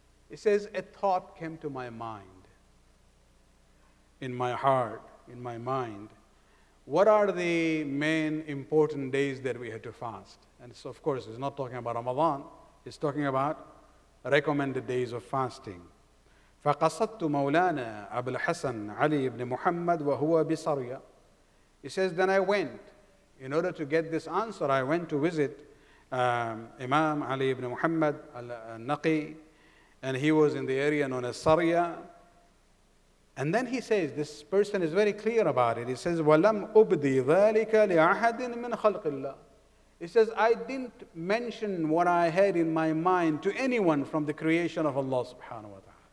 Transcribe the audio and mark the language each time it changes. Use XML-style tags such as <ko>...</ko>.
<en>He says, a thought came to my mind, in my heart, in my mind. What are the main important days that we have to fast? And so, of course, he's not talking about Ramadan. He's talking about recommended days of fasting.</en> <ar>فقصدت مولانا أبو الحسن علي بن محمد وهو بصريا.</ar> <en>He says, then I went. In order to get this answer, I went to visit Imam Ali ibn Muhammad al-Naqi, and he was in the area known as Sarya. And then he says, this person is very clear about it. He says,</en> <ar>وَلَمْ أُبْدِي ذَلِكَ لِأَحَدٍ مِّنْ خَلْقِ اللَّهِ.</ar> <en>He says, I didn't mention what I had in my mind to anyone from the creation of Allah subhanahu wa ta'ala.</en>